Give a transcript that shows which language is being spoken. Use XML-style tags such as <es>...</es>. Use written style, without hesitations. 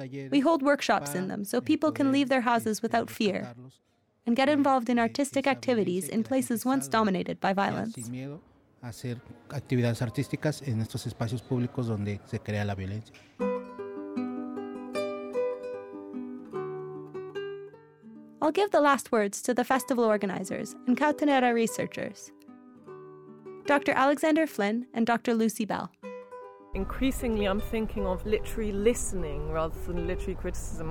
<en>We hold workshops in them so people can leave their houses without fear and get involved in artistic activities in places once dominated by violence.</en> <es>Hacer actividades artísticas en estos espacios públicos donde se crea la violencia.</es> <en>I'll give the last words to the festival organizers and Cautanera researchers, Dr. Alexander Flynn and Dr. Lucy Bell. Increasingly, I'm thinking of literary listening rather than literary criticism.</en>